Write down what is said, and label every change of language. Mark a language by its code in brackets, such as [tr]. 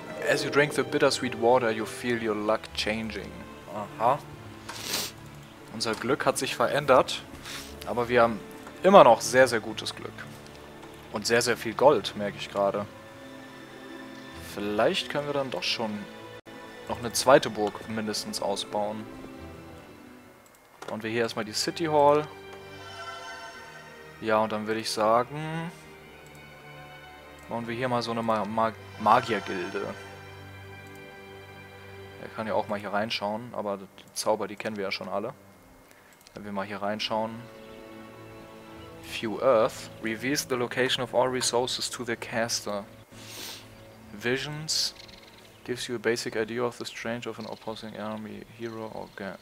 [en] As you drink the bittersweet water, you feel your luck changing. Aha. [de] Unser Glück hat sich verändert, aber wir haben immer noch sehr, sehr gutes Glück. Und sehr, sehr viel Gold, merke ich gerade. Vielleicht können wir dann doch schon noch eine zweite Burg mindestens ausbauen. Bauen wir hier erstmal die City Hall. Ja, und dann würde ich sagen, bauen wir hier mal so eine Magiergilde. Er kann ja auch mal hier reinschauen, aber die Zauber, die kennen wir ja schon alle. Wenn wir mal hier reinschauen. View Earth. [en] Reveals the location of all resources to the caster. Visions. Gives you a basic idea of the strength of an opposing army hero or gang.